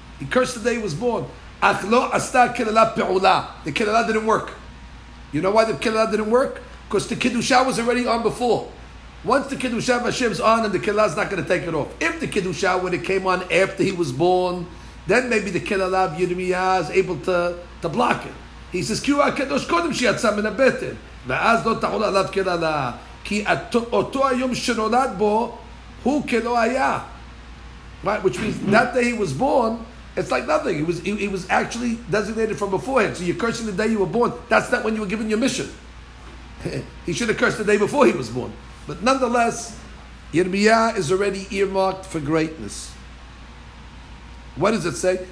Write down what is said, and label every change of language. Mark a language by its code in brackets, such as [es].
[en] He cursed the day he was born. [he] Ach lo asta kilela pe'ula. [en] The kilela didn't work. You know why the kilela didn't work? Because the kiddushah was already on before. Once the kiddushah of Hashem is on, and the kilela is not going to take it off. If the kiddushah, when it came on after he was born, then maybe the kilela of Yirmiya is able to block it. He says, [he] Ki ha'kadosh kodem shiatzam min ha'betin. ואז לא תחול עליו כללה, כי אותו היום שנולד בו, הוא כלא היה. [en] Right, which means that day he was born, it's like nothing. He was actually designated from beforehand. So you're cursing the day you were born. That's not when you were given your mission. He should have cursed the day before he was born. But nonetheless, Yirmiyah is already earmarked for greatness. What does it say?